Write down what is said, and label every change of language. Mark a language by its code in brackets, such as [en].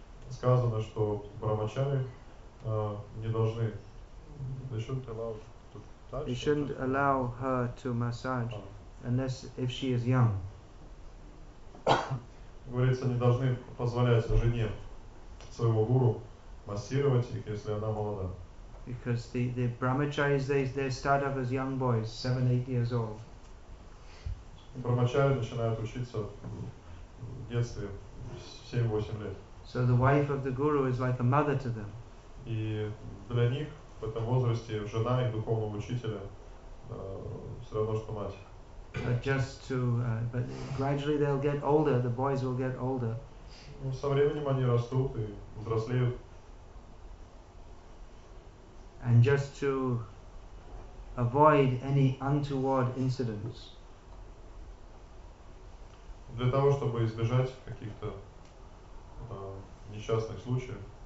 [ru] Сказано, что брахмачари не должны... [en] They shouldn't allow to touch... They shouldn't allow her to massage unless if she is young. [ru] Говорится, они должны позволять жене своего гуру массировать их, если она молода. [en] Because the brahmacharis, they start up as young boys, 7-8 years old. [ru] Брахмачари начинают учиться в детстве, 7-8 лет. [en] So the wife of the guru is like a mother to them. [ru] И для них в этом возрасте жена их духовного учителя все равно, что мать. [en] But just to, but gradually they'll get older. The boys will get older. [ru] Со временем они растут и взрослеют. [en] And just to avoid any untoward incidents. [ru] Для того, чтобы избежать каких-то несчастных случаев.